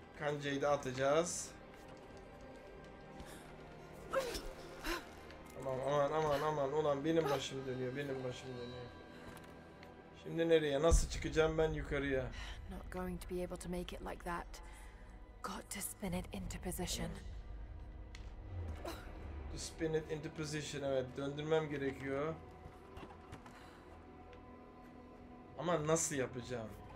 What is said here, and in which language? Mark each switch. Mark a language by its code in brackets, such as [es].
[tr] Kancayı da atacağız. Aman aman aman aman, ulan benim başım dönüyor, benim başım dönüyor. Şimdi nereye, nasıl çıkacağım ben yukarıya? [en] Not going to be able to make it like that. Got to spin it into position. To spin it into position, [tr] evet, döndürmem gerekiyor. Ama nasıl yapacağım?